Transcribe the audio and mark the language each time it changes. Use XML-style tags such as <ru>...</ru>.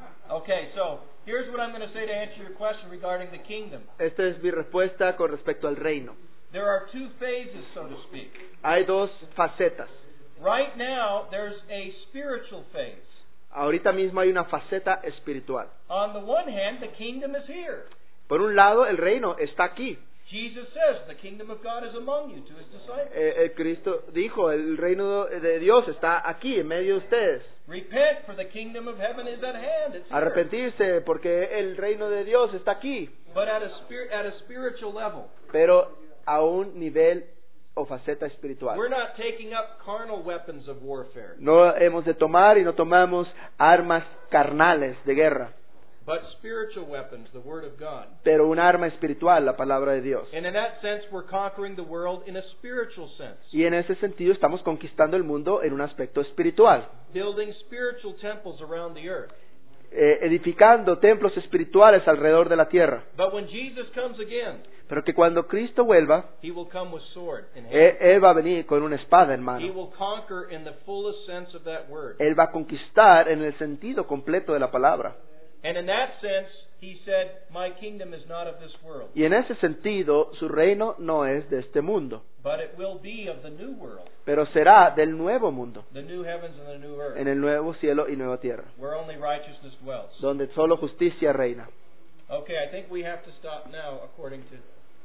<en>Okay, so here's what I'm going to say to answer your question regarding the kingdom.</en> <es>Esta es mi respuesta con respecto al reino.</es> <en>There are two phases, so to speak.</en> <es>Hay dos facetas.</es> <en>Right now, there's a spiritual phase.</en> <es>Ahorita mismo hay una faceta espiritual.</es> <en>On the one hand, the kingdom is here.</en> <es>Por un lado, el reino está aquí.</es> <en>Jesus says, "The kingdom of God is among you," to his disciples.</en> <es>Cristo dijo, "El reino de Dios está aquí en medio de ustedes."</es> <en>Repent, for the kingdom of heaven is at hand. It's here.</en> <es>Arrepentirse, porque el reino de Dios está aquí.</es> <en>But at a spiritual level.</en> <es>Pero a un nivel o faceta espiritual.</es> <en>We're not taking up carnal weapons of warfare.</en> <es>No hemos de tomar y no tomamos armas carnales de guerra.</es> <en>But spiritual weapons, the word of God.</en> <es>Pero un arma espiritual, la palabra de Dios.</es> <en>And in that sense, we're conquering the world in a spiritual sense.</en> <es>Y en ese sentido, estamos conquistando el mundo en un aspecto espiritual.</es> <en>Building spiritual temples around the earth.</en> <es>Edificando templos espirituales alrededor de la tierra.</es> <en>But when Jesus comes again,</en> <es>pero que cuando Cristo vuelva,</es> <en>he will come with sword in hand.</en> <es>Él va a venir con una espada en mano.</es> <en>He will conquer in the fullest sense of that word.</en> <es>Él va a conquistar en el sentido completo de la palabra.</es> <en>And in that sense, he said, "My kingdom is not of this world."</en> <es>Y en ese sentido, su reino no es de este mundo.</es> <en>But it will be of the new world.</en> <es>Pero será del nuevo mundo.</es> <en>The new heavens and the new earth.</en> <es>En el nuevo cielo y nueva tierra.</es> <en>Where only righteousness dwells.</en> <es>Donde solo justicia reina.</es> <en>Okay, I think we have to stop now, according to.</en>